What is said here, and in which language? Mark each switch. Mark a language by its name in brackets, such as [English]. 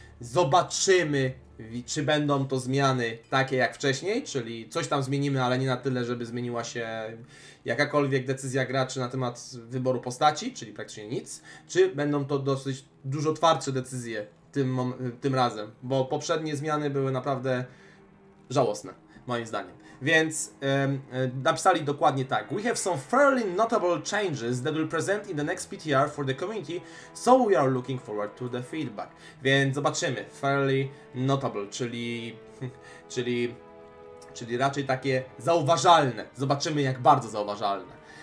[Polish] Zobaczymy, czy będą to zmiany takie jak wcześniej, czyli coś tam zmienimy, ale nie na tyle, żeby zmieniła się jakakolwiek decyzja graczy na temat wyboru postaci, czyli praktycznie nic, czy będą to dosyć dużo twardsze decyzje tym razem, bo poprzednie zmiany były naprawdę żałosne, moim zdaniem. Więc napisali dokładnie tak: [English] "We have some fairly notable changes that will present in the next PTR for the community, so we are looking forward to the feedback." [Polish] Więc zobaczymy. [English] Fairly notable, [Polish] czyli raczej takie zauważalne. Zobaczymy, jak bardzo zauważalne.